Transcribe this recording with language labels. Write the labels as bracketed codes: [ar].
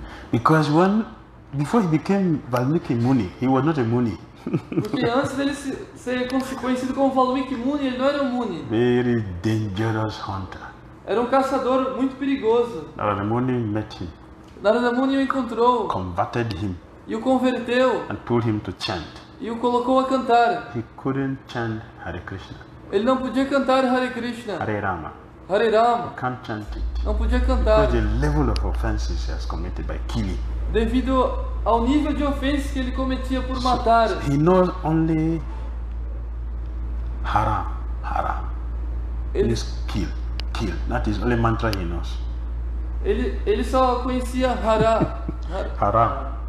[en] Because when before he became Valmiki Muni, he was not a Muni. [pt] Porque antes dele ser conhecido como Valmiki Muni, ele não era um Muni. [en] Very dangerous hunter. [pt] Era um caçador muito perigoso. [en] Narada Muni met him. [pt] Narada Muni o encontrou. [en] Converted him. [pt] E o converteu. [en] And told him to chant. [pt] E o colocou a cantar. [en] He couldn't chant Hare Krishna. [pt] Ele não podia cantar Hare Krishna. [en] Hare Rama. [pt] Hare Rama. [en] He can't chant it. [pt] Não podia cantar. [en] Because the level of offenses he has committed by killing. [pt] Devido ao nível de ofensas que ele cometia por matar. [en] So, he knows only haram, haram. [pt] Ele [en] is kill, kill. That is only mantra he knows. [pt] Ele só conhecia haram. Haram.